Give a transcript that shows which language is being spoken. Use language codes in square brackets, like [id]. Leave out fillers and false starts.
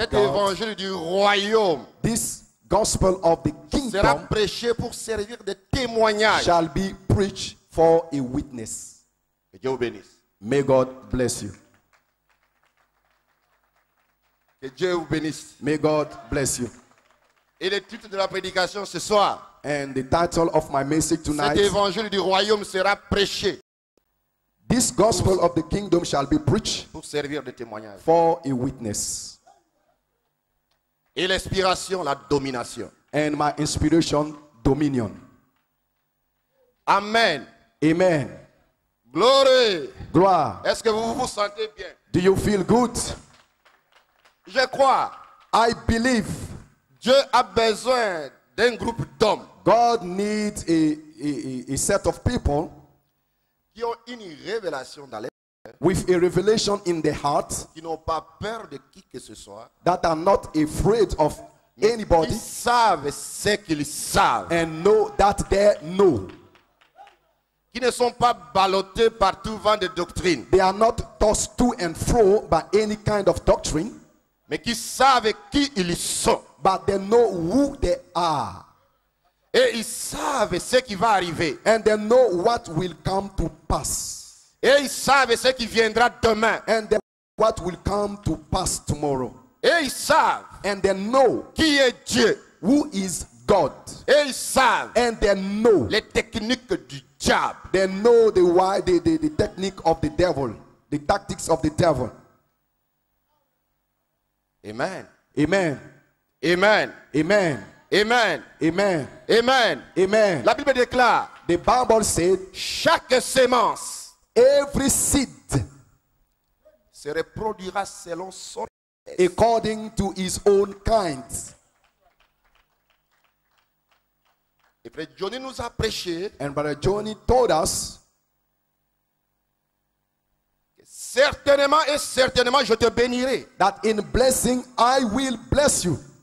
[fr] Cet évangile du royaume. [en] This gospel of the kingdom [fr] sera prêché pour servir de témoignage. [en] Shall be preached for a witness. [fr] Que Dieu vous bénisse. [en] May God bless you. [fr] Que Dieu vous bénisse. [en] May God bless you. [fr] Et le titre de la prédication ce soir. [en] And the title of my message tonight. [fr] Cet évangile du royaume sera prêché. [en] This gospel of the kingdom shall be preached [fr] pour servir de témoignage. [en] For a witness. [fr] Et l'inspiration, la domination. [en] And my inspiration, dominion. [fr] Amen. [en] Amen. Glory. [fr] Gloire. Est-ce que vous vous sentez bien? [en] Do you feel good? [fr] Je crois. [en] I believe. [fr] Dieu a besoin d'un groupe d'hommes. [en] God needs a set of people. [fr] Qui ont une révélation dans les [en] with a revelation in the heart, [fr] qui n'ont pas peur de qui que ce soit, [en] that are not afraid of anybody, [fr] ils savent ce qu'ils savent, [en] and know that they know, [fr] qui ne sont pas ballottés par tout vent de doctrine, [en] they are not tossed to and fro by any kind of doctrine, [fr] mais qui savent qui ils sont, [en] but they know who they are, [fr] et ils savent ce qui va arriver, [en] and they know what will come to pass. [fr] Et ils savent ce qui viendra demain. [en] And they know what will come to pass tomorrow. [fr] Et ils savent. [en] And they know [fr] qui est Dieu. [en] Who is God? [fr] Et ils savent. [en] And they know [fr] les techniques du diable. [en] They know the technique of the devil, the tactics of the devil. [fr] Amen. [en] Amen. [fr] Amen. [en] Amen. [fr] Amen. [en] Amen. [fr] Amen. [en] Amen. [fr] La Bible déclare. [en] The Bible said. [fr] Chaque semence. [en] Every seed [fr] se reproduira selon son [en] according to his own kind. [fr] Et puis Johnny nous a prêché, [en] and Brother Johnny told us [fr] que certainement et certainement je te bénirai, [en] that in blessing I will bless you.